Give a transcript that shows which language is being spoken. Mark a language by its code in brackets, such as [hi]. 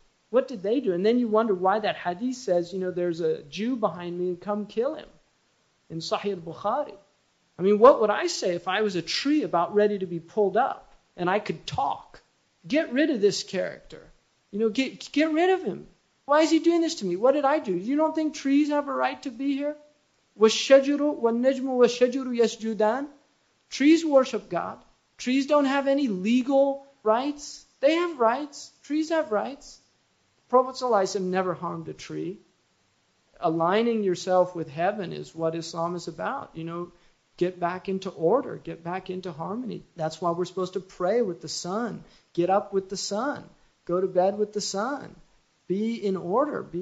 [en] What did they do? And then you wonder why that hadith says, you know, there's a Jew behind me and come kill him. In Sahih al-Bukhari. I mean, what would I say if I was a tree about ready to be pulled up and I could talk? Get rid of this character. You know, get rid of him. Why is he doing this to me? What did I do? You don't think trees have a right to be here? [ar] وَالشَّجُرُ وَالنَّجْمُ وَالشَّجُرُ يَسْجُدَانِ [en] Trees worship God. Trees don't have any legal rights. They have rights. Trees have rights. Prophet ﷺ never harmed a tree. Aligning yourself with heaven is what Islam is about. You know, get back into order, get back into harmony. That's why we're supposed to pray with the sun, get up with the sun, go to bed with the sun, be in order.